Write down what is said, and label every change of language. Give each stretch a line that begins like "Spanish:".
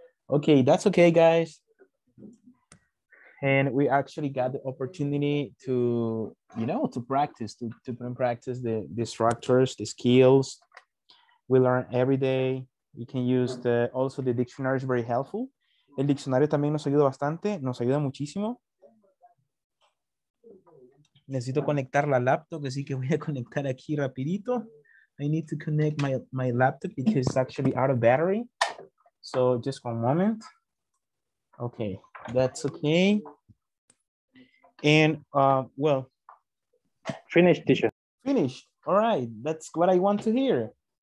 English: Okay, that's okay, guys. And we actually got the opportunity to, you know, to practice, to put in practice the structures, the skills. We learn every day. We can use the dictionary is very helpful.
Spanish: El diccionario también nos ayuda bastante, nos ayuda muchísimo. Necesito conectar la laptop, así que voy a conectar aquí rapidito.
English: I need to connect my laptop because it's actually out of battery. So just one moment. Okay, that's okay. And well, finish, teacher. Finish. All right, that's what I want to hear.